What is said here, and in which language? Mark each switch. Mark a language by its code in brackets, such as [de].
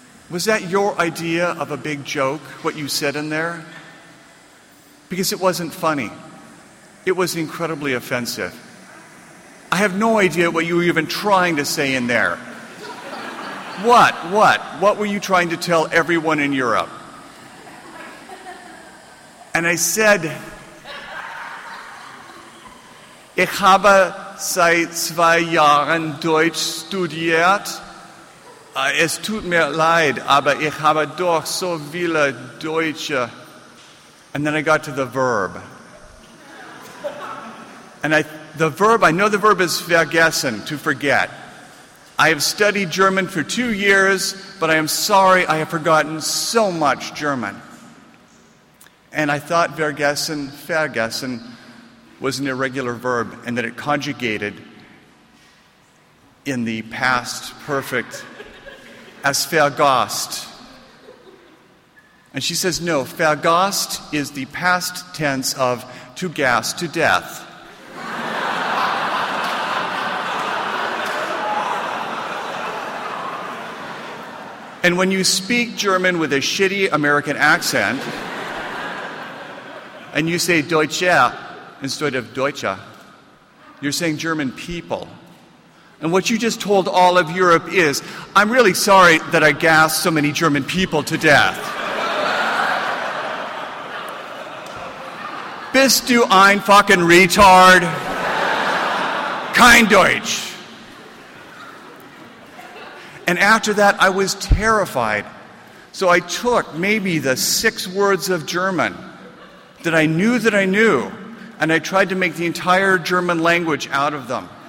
[en] Was that your idea of a big joke, what you said in there? Because it wasn't funny. It was incredibly offensive. I have no idea what you were even trying to say in there. What? What were you trying to tell everyone in Europe? [de] And I said, Ich habe seit 2 Jahren Deutsch studiert. Es tut mir leid, aber ich habe doch so viele Deutsche. [en] And then I got to the verb. And I know the verb is vergessen, to forget. I have studied German for 2 years, but I am sorry I have forgotten so much German. And I thought vergessen, was an irregular verb, and that it conjugated in the past perfect as vergast. And she says, no, vergast is the past tense of to gas, to death. And when you speak German with a shitty American accent, and you say Deutsche instead of Deutsche, you're saying German people. And what you just told all of Europe is, I'm really sorry that I gassed so many German people to death. [de] Bist du ein fucking retard? Kein Deutsch. [en] And after that, I was terrified. So I took maybe the 6 words of German that I knew that I knew, and I tried to make the entire German language out of them.